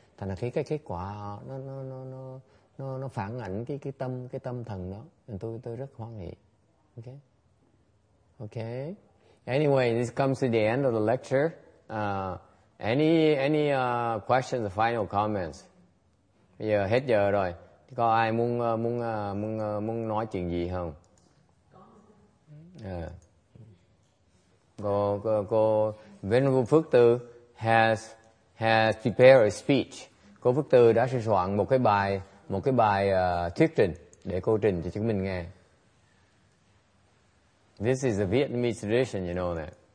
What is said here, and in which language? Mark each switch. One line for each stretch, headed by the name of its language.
Vietnamese: Thành ra cái kết quả họ nó phản ảnh cái tâm thần đó. Nên tôi rất hoan hỷ. Okay.
English: Anyway, this comes to the end of the lecture. Any questions or final comments?
Vietnamese: Bây giờ hết giờ rồi. Có ai muốn nói chuyện gì không? Có. Cô
English: Venerable Phước Từ has prepared a speech.
Vietnamese: Cô Phước Từ đã sẵn soạn một cái bài thuyết trình để cô trình cho chúng mình nghe.
English: This is a Vietnamese tradition, you know that.